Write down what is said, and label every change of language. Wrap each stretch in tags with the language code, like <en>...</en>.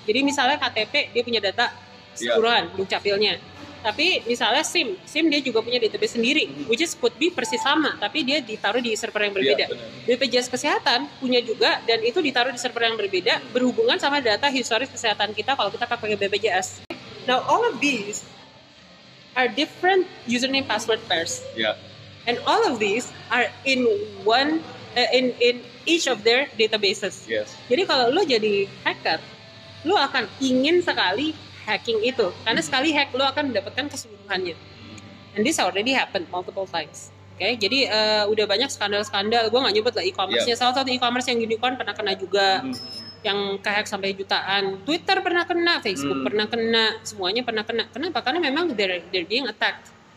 <id>Jadi misalnya KTP dia punya data seluruhan dukcapilnya. Tapi misalnya SIM dia juga punya database sendiri,</id> <en>which is could be</en> <id>persis sama, tapi dia ditaruh di server yang berbeda. BPJS kesehatan punya juga dan itu ditaruh di server yang berbeda berhubungan sama data historis kesehatan kita kalau kita pakai BPJS.</id> <en>Now all of these are different username password pairs. Yeah. And all of these are in one in each of their databases. Yes.</en> <id>Jadi kalau lo jadi hacker, lo akan ingin sekali hacking itu, karena sekali hack lo akan mendapatkan keseluruhannya.</id> <en>And this already happened multiple times.</en> <id>Okay. Jadi udah banyak skandal-skandal. Gue nggak nyebut lah e-commerce-nya. Yeah. Salah satu e-commerce yang unicorn pernah kena juga, yang kehack sampai jutaan. Twitter pernah kena, Facebook pernah kena, semuanya pernah kena. Kenapa? Karena memang</id> <en>they're being attacked.</en>